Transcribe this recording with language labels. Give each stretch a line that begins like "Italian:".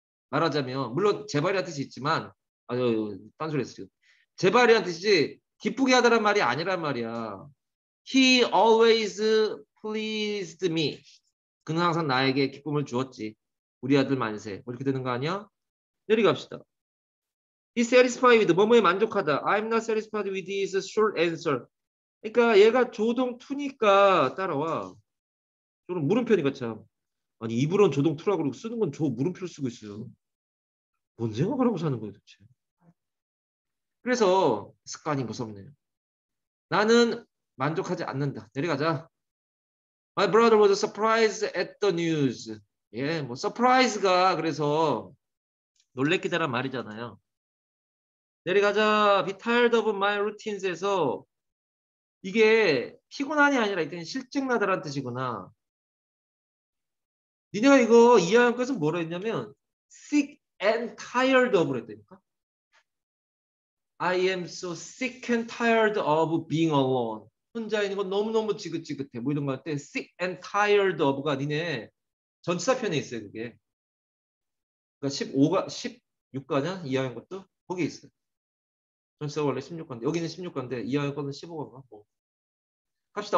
Korean: 말하자면 물론 제발이란 뜻이 있지만 아유 딴소리했어요. 제발이란 뜻이지 기쁘게 하다란 말이 아니란 말이야.
English: He always pleased me.
Korean: 그는 항상 나에게 기쁨을 주었지. 우리 아들 만세. 뭐 이렇게 되는 거 아니야? 내려갑시다.
English: He satisfied with
Korean: 뭐뭐에 만족하다.
English: I'm not satisfied with his short answer.
Korean: 그러니까 얘가 조동 2니까 따라와. 저는 물음표니까 참. 아니 입으로는 조동 2라고 그러고 쓰는 건 저 물음표를 쓰고 있어요. 뭔 생각을 하고 사는 거예요 도대체. 그래서 습관이 무섭네요. 나는 만족하지 않는다. 내려가자.
English: My brother was surprised at the news.
Korean: 예, 뭐 surprise가 그래서 놀래키다란 말이잖아요. 내려가자.
English: Be tired of my routines
Korean: 에서 이게 피곤한이 아니라 이때는 실증나다란 뜻이구나. 니네가 이거 이해한 것은 뭐라 했냐면
English: sick and tired of
Korean: 그랬다니까.
English: I am so sick and tired of being alone.
Korean: 혼자 있는 건 너무너무 지긋지긋해. 뭐 이런 거 할 때
English: sick and tired of
Korean: 가 니네 전치사 편에 있어요. 그게 그러니까 15가 16가냐 이하인 것도 거기 있어요. 전치사 원래 16가인데 여기는 16가인데 이하인 것은 15가가 뭐 갑시다.